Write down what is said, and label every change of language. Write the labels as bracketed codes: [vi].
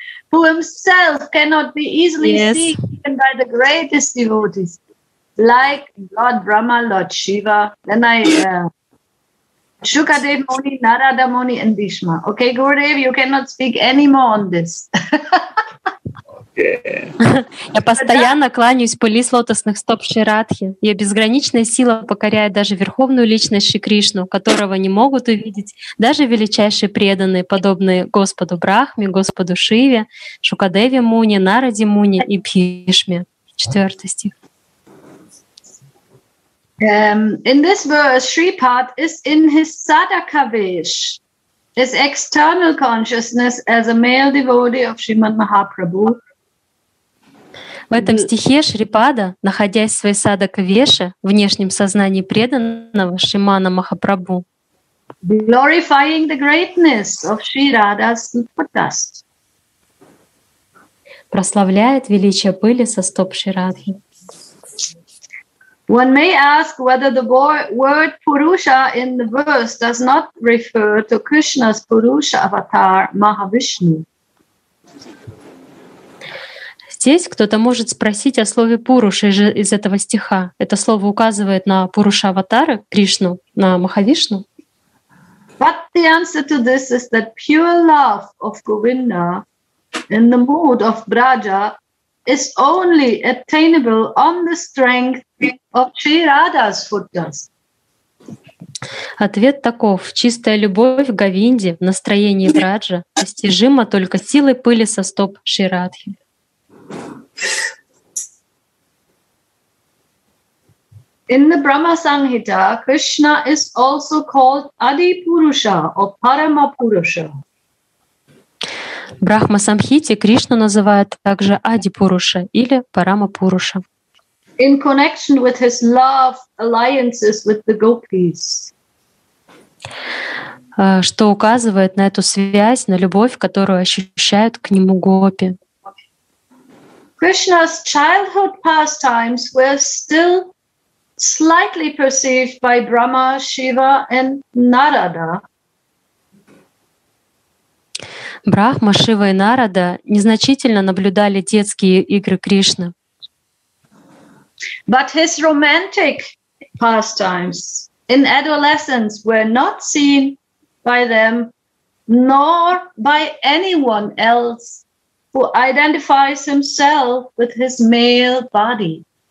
[en] Who himself cannot be easily seen even by the greatest devotees. Like Lord Brahma, Lord Shiva, then I Shukadev Muni, Narada Muni, and Bhishma. Okay, Gurudev, you cannot speak anymore on this. Okay. [ru] Я постоянно кланяюсь пыли с лотосных стоп Шри Радхи. Ее безграничная сила покоряет даже верховную личность Шри Кришну, которого не могут увидеть даже величайшие преданные, подобные Господу Брахме, Господу Шиве, Шукадеве Муни, Нараде Муни и Бхишме. Четвертый стих. [en] In this verse, Sripad is in his sadakavesh, his external consciousness as a male devotee of Shrimad Mahaprabhu. [ru] В этом стихе Шрипада, находясь в своей садакавеше, внешнем сознании преданного Шримана Махапрабху, [en] glorifying the greatness of Sri Radha's foot dust. [ru] Прославляет величие пыли со стоп Шри Радхи. [en] One may ask whether the word Purusha in the verse does not refer to Krishna's Purusha avatar Mahavishnu. [ru] Здесь кто-то может спросить о слове Пуруша из этого стиха. Это слово указывает на Пуруша аватара Кришну, на Махавишну. [en] But the answer to this is that pure love of Govinda in the mood of Braja is only attainable on the strength of Sri Radha's foot dust. [ru] Ответ таков: чистая любовь Говинде в настроении Браджа достижима только силой пыли со стоп Шри Радхи. [en] In the Brahma Sanghita, Krishna is also called Adi Purusha or Parama Purusha. [ru] В Брахма-самхите Кришну называют также Ади-пуруша или Парама-пуруша. [en] In connection with his love alliances with the gopis. [ru] Что указывает на эту связь, на любовь, которую ощущают к нему гопи. [en] Krishna's childhood pastimes were still slightly perceived by Brahma, Shiva and Narada. [ru] Брахма, Шива и Нарада незначительно наблюдали детские игры Кришны. [en] But his romantic pastimes in adolescence were not seen by them nor by anyone else who identifies himself with his male body.